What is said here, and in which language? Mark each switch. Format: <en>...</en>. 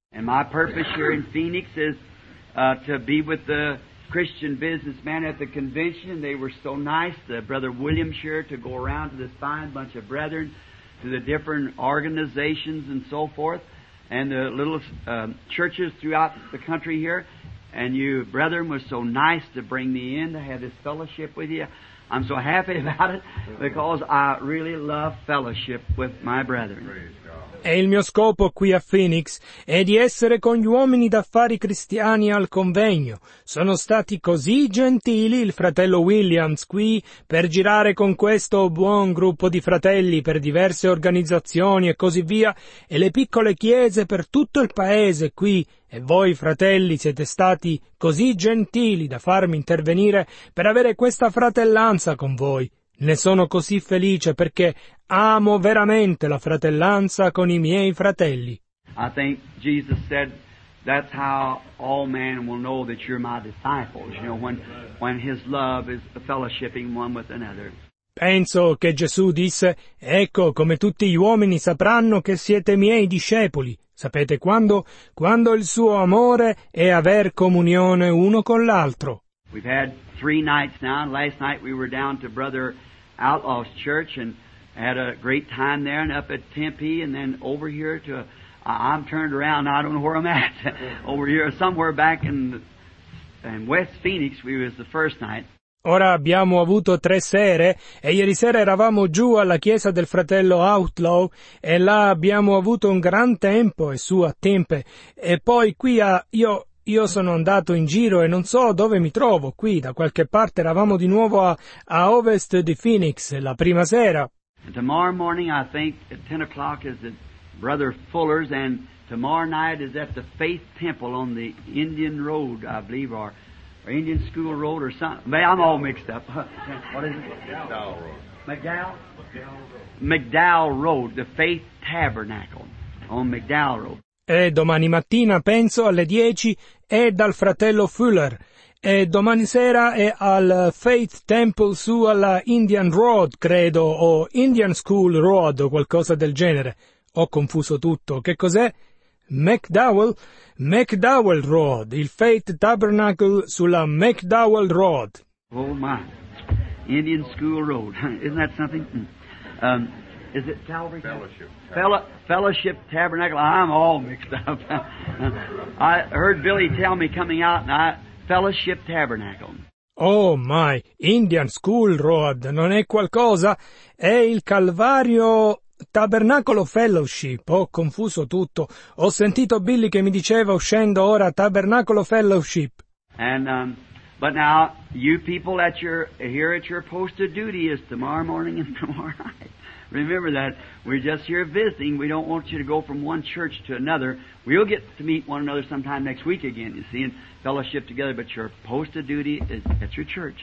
<en>And my purpose here in Phoenix is to be with the Christian businessman at the convention. They were so nice, the brother William shared, to go around to this fine bunch of brethren, to the different organizations and so forth, and the little churches throughout the country here. And you, brethren, were so nice to bring me in to have this fellowship with you. I'm so happy about it because I really love fellowship with my brethren.</en> <it>E il mio scopo qui a Phoenix è di essere con gli uomini d'affari cristiani al convegno. Sono stati così gentili il fratello Williams qui per girare con questo buon gruppo di fratelli per diverse organizzazioni e così via, e le piccole chiese per tutto il paese qui. E voi, fratelli, siete stati così gentili da farmi intervenire per avere questa fratellanza con voi. Ne sono così felice perché amo veramente la fratellanza con i miei fratelli.</it> <en>I think Jesus said that's how all men will know that you're my disciples, you know, when his love is fellowshipping one with another.</en> <it>Penso che Gesù disse: ecco come tutti gli uomini sapranno che siete miei discepoli. Sapete quando? Quando il suo amore è aver comunione uno con l'altro.</it> <en>We've had three nights now. Last night we were down to Brother Outlaw's church and had a great time there, and up at Tempe, and then over here to I'm turned around. I don't know where I'm at. Over here, somewhere back in West Phoenix, we was the first night.</en> <it>Ora abbiamo avuto tre sere e ieri sera eravamo giù alla chiesa del fratello Outlaw e là abbiamo avuto un gran tempo e su a Tempe. E poi qui a io sono andato in giro e non so dove mi trovo qui, da qualche parte eravamo di nuovo a ovest di Phoenix la prima sera.</it> <en>Tomorrow morning I think at 10 o'clock is at Brother Fuller's and tomorrow night is at the Faith Temple on the Indian Road, I believe, or Indian School Road or something. I'm all mixed up. What is it? McDowell Road. McDowell Road, the Faith Tabernacle on McDowell Road.</en> <it>E domani mattina, penso, alle 10, è dal fratello Fuller. E domani sera è al Faith Temple su alla Indian Road, credo, o Indian School Road o qualcosa del genere. Ho confuso tutto. Che cos'è? McDowell Road, il Faith Tabernacle sulla McDowell Road.</it> <en>Oh my, Indian School Road, isn't that something? Is it Calvary? Fellowship Tabernacle, I'm all mixed up. I heard Billy tell me coming out, and Fellowship Tabernacle. Oh my,</en> <it>Indian School Road, non è qualcosa? È il Calvario... Tabernacolo Fellowship, ho confuso tutto. Ho sentito Billy che mi diceva uscendo ora Tabernacolo Fellowship.</it> <en>And but now you people at your here at your post of duty is tomorrow morning and tomorrow night. Remember that we're just here visiting. We don't want you to go from one church to another. We'll get to meet one another sometime next week again, you see, and fellowship together, but your post of duty is at your church.</en>